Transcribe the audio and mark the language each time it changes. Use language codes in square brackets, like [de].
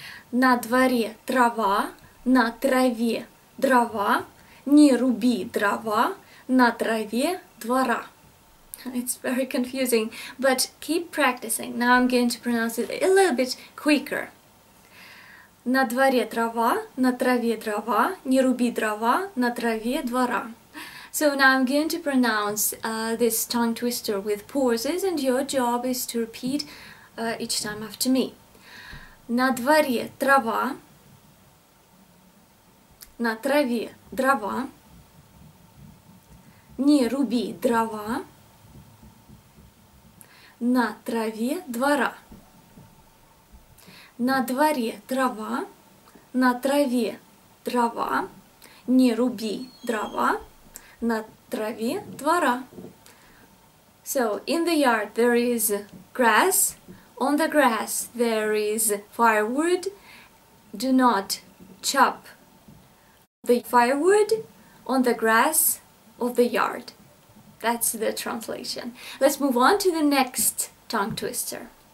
[ru] На дворе трава. На траве дрова. Не руби дрова. На траве двора. [en] It's very confusing, but keep practicing. Now I'm going to pronounce it a little bit quicker. [ru] На дворе трава, на траве дрова, не руби дрова, на траве двора. [en] So now I'm going to pronounce this tongue twister with pauses, and your job is to repeat each time after me. [ru] На дворе трава, на траве дрова, не руби дрова, на траве двора. На дворе трава, на траве дрова, не руби дрова, на траве двора. [en] So, in the yard there is grass, on the grass there is firewood. Do not chop the firewood on the grass of the yard. That's the translation. Let's move on to the next tongue twister.